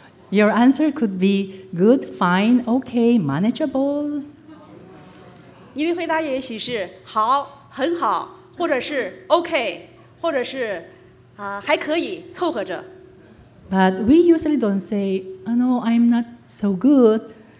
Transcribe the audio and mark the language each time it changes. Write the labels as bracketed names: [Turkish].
[English] Your answer could be good, fine, okay, manageable. [Chinese] 你的回答也许是好，很好，或者是 OK， 或者是还可以，凑合着。 [English] But we usually don't say, oh, no, I'm not so good.